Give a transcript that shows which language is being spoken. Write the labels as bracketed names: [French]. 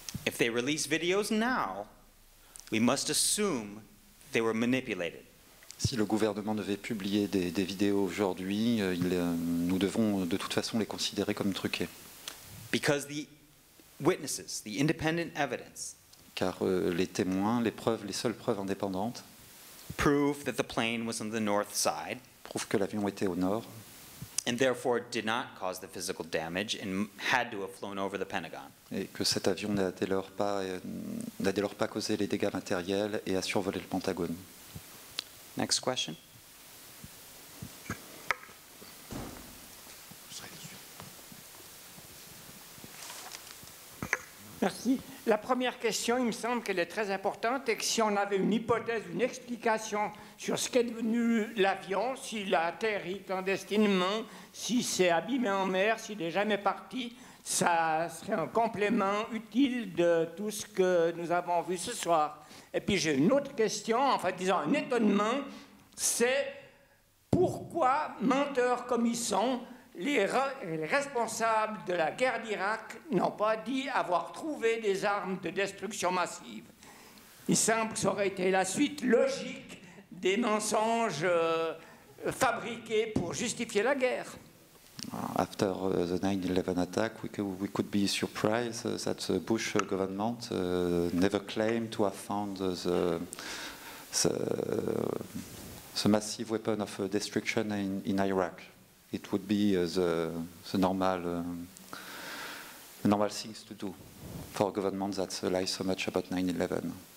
[English] If they release videos now, we must assume they were manipulated. [French] Si le gouvernement devait publier des vidéos aujourd'hui, nous devons de toute façon les considérer comme truquées. [English] Because the witnesses, the independent evidence, [French] car les témoins, les preuves, les seules preuves indépendantes, [English] prove that the plane was on the north side, [French] prouvent que l'avion était au nord, [English] and therefore did not cause the physical damage and had to have flown over the Pentagon. [French] Et que cet avion n'a dès lors pas causé les dégâts matériels et a survolé le Pentagone. [English] Next question. [French] Merci. La première question, il me semble qu'elle est très importante, et que si on avait une hypothèse, une explication sur ce qu'est devenu l'avion, s'il a atterri clandestinement, si c'est abîmé en mer, s'il n'est jamais parti, ça serait un complément utile de tout ce que nous avons vu ce soir. Et puis j'ai une autre question, en fait, disons un étonnement, c'est pourquoi, menteurs comme ils sont, les responsables de la guerre d'Irak n'ont pas dit avoir trouvé des armes de destruction massive. Il semble que ça aurait été la suite logique des mensonges fabriqués pour justifier la guerre. [English] After the 9/11 attack, we could be surprised that the Bush government never claimed to have found the massive weapon of destruction in Iraq. It would be the normal things to do for a government that lies so much about 9/11.